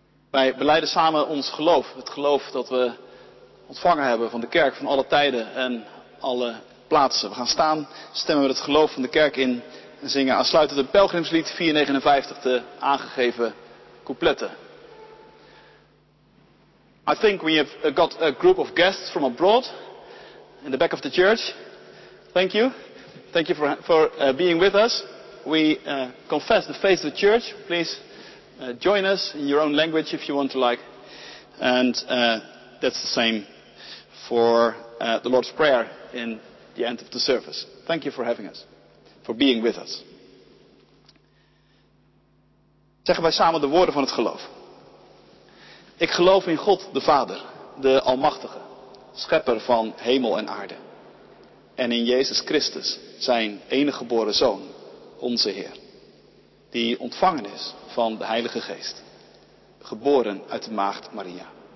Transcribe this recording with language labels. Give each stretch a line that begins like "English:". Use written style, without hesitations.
Dutch: Wij belijden samen ons geloof, het geloof dat we ontvangen hebben van de kerk van alle tijden en alle plaatsen. We gaan staan, stemmen we het geloof van de kerk in en zingen aansluitend een pelgrimslied 459, de aangegeven coupletten.
English: I think we have got a group of guests from abroad in the back of the church. Thank you. Thank you for being with us. We confess the faith of the church. Please join us in your own language if you want to like. And that's the same for the Lord's Prayer in the end of the service. Thank you for having us, for being with us.
Dutch: Zeggen wij samen de woorden van het geloof. Ik geloof in God de Vader, de Almachtige, schepper van hemel en aarde. En in Jezus Christus, zijn enige geboren Zoon, onze Heer, die ontvangen is van de Heilige Geest, geboren uit de maagd Maria,